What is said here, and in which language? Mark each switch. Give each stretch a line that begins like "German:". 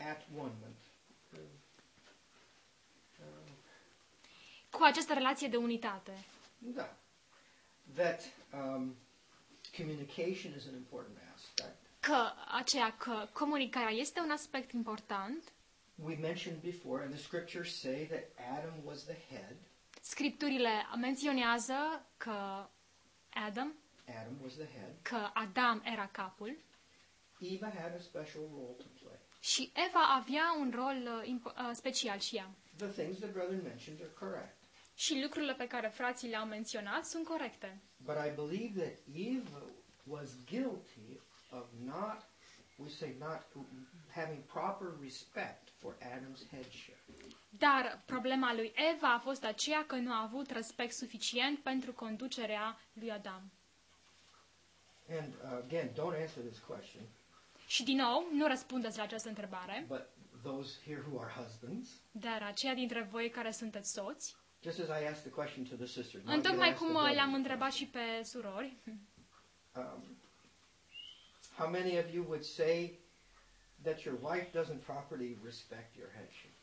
English: At-one-ment.
Romanian: Cu această relație de unitate. Da.
English: That communication is an important aspect.
Romanian: Că aceea că comunicarea este un aspect important.
English: We mentioned before, and the scriptures say that Adam was the head.
Romanian: Scripturile menționează că
English: Adam was the head.
Romanian: Că Adam era capul.
English: Eva had a special role to play.
Romanian: Și Eva avea un rol special și ea.
English: The things the brother mentioned are correct.
Romanian: Și lucrurile pe care frații le-au menționat sunt corecte.
English: But I believe that Eva was guilty of not, we say not, having proper respect for Adam's headship.
Romanian: Dar problema lui Eva a fost aceea că nu a avut respect suficient pentru conducerea lui Adam.
English: And again, don't answer this question.
Romanian: Și din nou, nu răspundeți la această întrebare.
English: But those here who are husbands,
Romanian: dar aceia dintre voi care sunteți soți,
English: just as I asked the question to the sister,
Romanian: întocmai cum le-am întrebat și pe surori,
English: how many of you would say that your wife doesn't properly respect your headship?